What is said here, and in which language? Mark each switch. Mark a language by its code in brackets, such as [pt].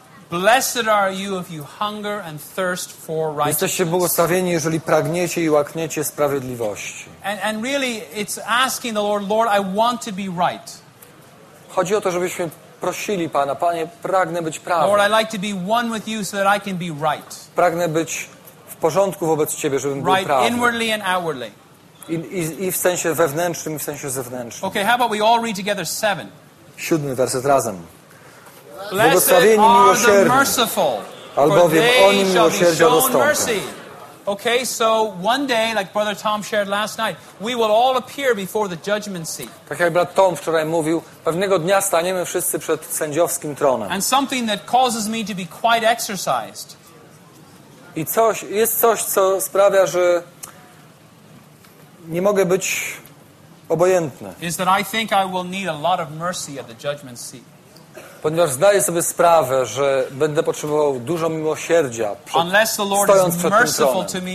[en] Blessed are you if you hunger and thirst for righteousness. [pl] Jesteście błogosławieni, jeżeli pragniecie i łakniecie sprawiedliwości. [en] And really, it's asking the Lord, I want to be right. [pl] Chodzi o to, żebyśmy prosili Pana, Panie, pragnę być prawy. [en] Lord, I'd like to be one with you so that I can be right. [pl] Pragnę być w porządku wobec Ciebie, żebym był [en] right, [pl] prawy. [en] Right, inwardly and outwardly. [pl] I w sensie wewnętrznym, i w sensie zewnętrznym. [en] Okay, how about we all read together 7? [pl] Siódmy werset razem. Błogosławieni miłosierni, albowiem oni miłosierdzia dostąpią. [en] Okay, so one day, like Brother Tom shared last night, we will all appear before the judgment seat. [pl] Tak jak brat Tom wczoraj mówił, pewnego dnia staniemy wszyscy przed sędziowskim tronem. [en] And something that causes me to be quite exercised. [pl] I coś, jest coś, co sprawia, że nie mogę być obojętny. [en] Is that I think I will need a lot of mercy at the judgment seat. [pl] Ponieważ zdaję sobie sprawę, że będę potrzebował dużo miłosierdzia stojąc przed tym tronem.